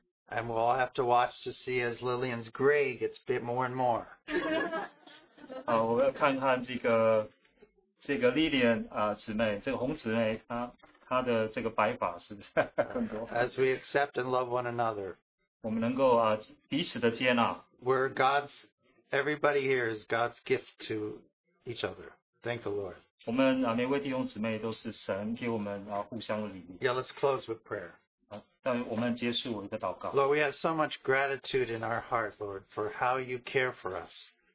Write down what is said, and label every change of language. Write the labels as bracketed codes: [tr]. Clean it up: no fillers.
[en] And we'll all have to watch to see as Lillian's gray gets bit more and more. [zh] 我要看看这个丽莲姊妹，这个红姊妹，她的这个白发是不是更多？ [en] As we accept and love one another. [zh] 我们能够彼此的接纳。 [en] We're God's, everybody here is God's gift to each other. Thank the Lord. [zh] 我们每位弟兄姊妹都是神给我们互相的礼物。 [en] Yeah, let's close with prayer. Lord, we have so much gratitude in our heart, Lord, for how you care for us.